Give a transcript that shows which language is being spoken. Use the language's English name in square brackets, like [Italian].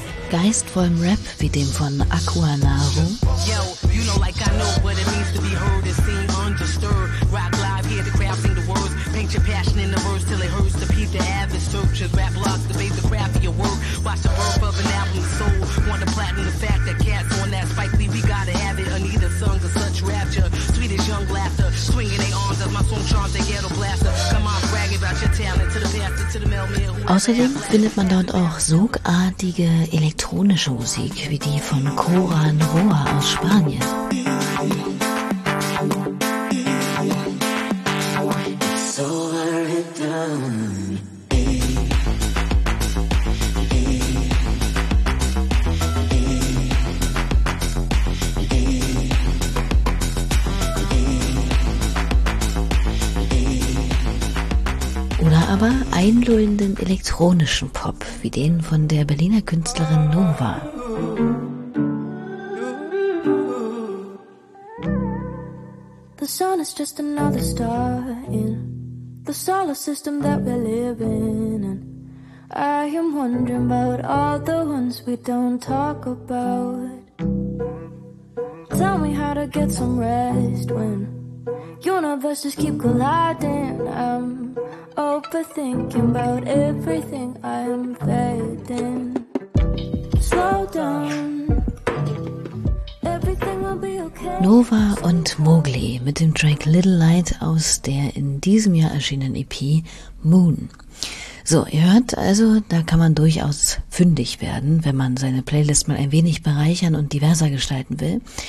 [German] Geistvollem Rap wie dem von Aqua Naru. [English] Yo, you know like I know what it means to be heard and seen undisturbed. Rap live, hear the crowd sing the words. Paint your passion in the verse till it hurts to peep the avid searchers. Rap blocks debate the craft of your work. Watch the birth of an album soul. Want to platinum the fact that cats on that Spike Lee, we gotta have it. Anita sung of such rapture. Sweetest young laughter. Swinging they arms as my song charms they ghetto blaster. Come on, brag about your talent to the pastor, to the mailman. [German] Außerdem findet man dort auch sogartige elektronische Musik, wie die von Cora Noa aus Spanien. Aber einlullenden elektronischen Pop, wie den von der Berliner Künstlerin Nova. [English] The sun is just another star in the solar system that we live in. And I am wondering about all the ones we don't talk about. Tell me how to get some rest when universes keep colliding. I'm overthinking about everything I'm fading. Slow down. Everything will be okay. [German] Nova und Mowgli mit dem Track Little Light aus der in diesem Jahr erschienenen EP Moon. So, ihr hört also, da kann man durchaus fündig werden, wenn man seine Playlist mal ein wenig bereichern und diverser gestalten will.